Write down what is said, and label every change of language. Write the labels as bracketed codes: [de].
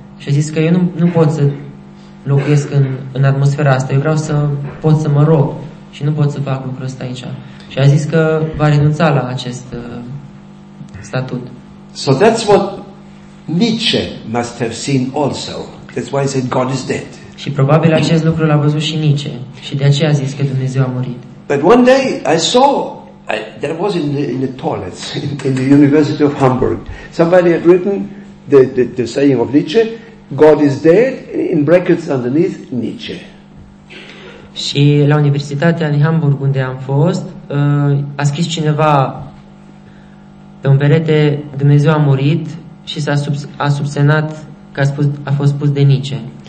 [ro] Și a zis că eu nu pot să locuiesc în atmosfera asta, eu vreau să pot să mă rog și nu pot să fac lucrul ăsta aici. Și a zis că va renunța la acest statut. [en] So that's what Nietzsche must have seen also. That's why he said God is dead. [ro] Și probabil acest lucru l-a văzut și Nietzsche. Și de aceea a zis că Dumnezeu a murit. [en] But one day I saw, there was in the toilets in the University of Hamburg, somebody had written the saying of Nietzsche, God is dead, in brackets underneath, Nietzsche. [ro] Și la Universitatea din Hamburg unde am fost, a scris cineva pe un perete, Dumnezeu a murit, și s-a subsemnat că a fost spus de Nietzsche.